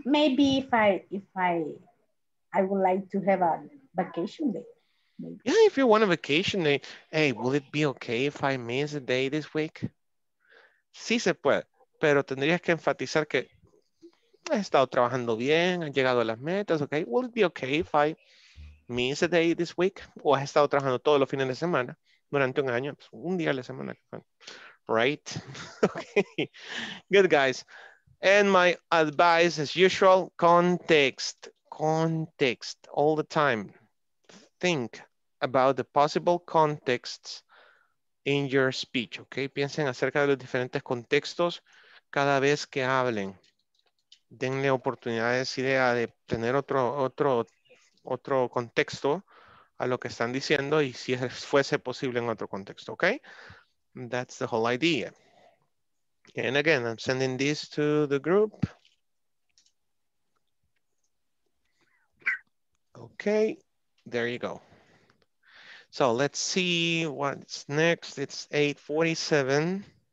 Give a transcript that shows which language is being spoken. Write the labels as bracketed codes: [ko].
[en] Maybe if I would like to have a vacation day. Yeah, if you want a vacation day, hey, will it be okay if I miss a day this week? [es] Sí se puede, pero tendrías que enfatizar que has estado trabajando bien, has llegado a las metas, okay? [en] Will it be okay if I miss a day this week? [es] O has estado trabajando todos los fines de semana durante un año, pues un día a la semana, right? [en] Okay, good guys. And my advice, as usual, context, context, all the time. Think about the possible contexts in your speech, okay? [es] Piensen acerca de los diferentes contextos cada vez que hablen. Denle oportunidades, idea de tener otro contexto a lo que están diciendo y si fuese posible en otro contexto, okay? [en] That's the whole idea. And again, I'm sending this to the group. Okay, there you go. So let's see what's next. It's 8:47.